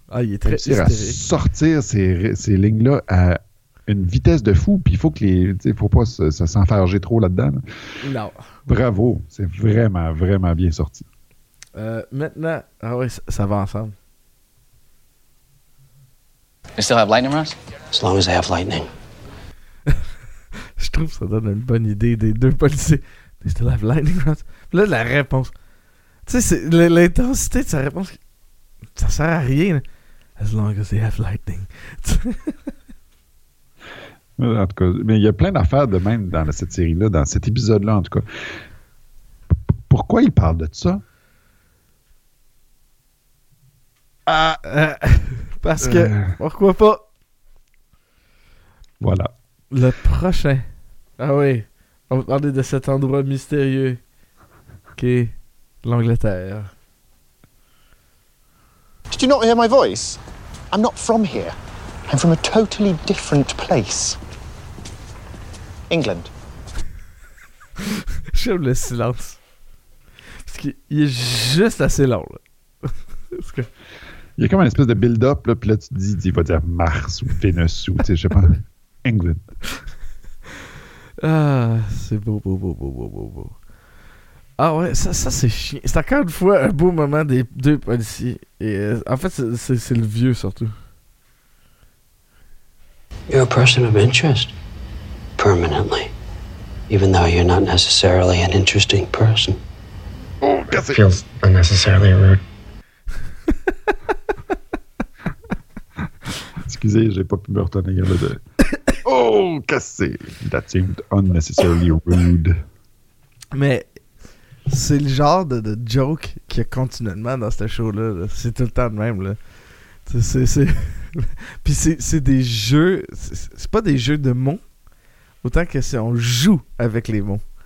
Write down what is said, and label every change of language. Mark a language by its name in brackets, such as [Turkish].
[French] Ah, il est très hystérique. À sortir ces lignes-là à... une vitesse de fou, puis il faut que faut pas se s'enfarger trop là-dedans. Non. Bravo, c'est vraiment, vraiment bien sorti. Maintenant, ça va ensemble. [English] You still have lightning, Ross? As long as I have lightning. [French] Je trouve que ça donne une bonne idée des deux policiers. [English] You still have lightning, Ross? [French] Là, la réponse. Tu sais, l'intensité de sa réponse, ça sert à rien. Là. [English] As long as they have lightning. [French] En tout cas, mais il y a plein d'affaires de même dans cette série-là, dans cet épisode-là, en tout cas. Pourquoi il parle de ça? Parce que, pourquoi pas? Voilà. Le prochain. Ah oui, on va parler de cet endroit mystérieux qui est l'Angleterre. [English] Did you not hear my voice? I'm not from here. I'm from a totally different place. England. [French] J'aime le silence. Parce qu'il est juste assez long, là. Parce que... Il y a comme une espèce de build-up, là, puis là, tu dis, il va dire Mars ou Vénus ou, tu sais, je sais pas, England. Ah, c'est beau, beau, beau, beau, beau, beau, beau. Ah ouais, ça c'est chiant. C'est encore une fois un beau moment des deux policiers. Et, en fait, c'est le vieux, surtout. [English] You're a person of interest. Permanently, even though you're not necessarily an interesting person. Oh, that feels unnecessarily rude. [French] Excusez, j'ai pas pu me retenir le de. Oh, cassé. [English] That seemed unnecessarily rude. [French] Mais c'est le genre de joke qu'il y a continuellement dans ce show-là. Là. C'est tout le temps de même. Là. C'est... Puis c'est des jeux. C'est pas des jeux de mots. Autant que si on joue avec les mots.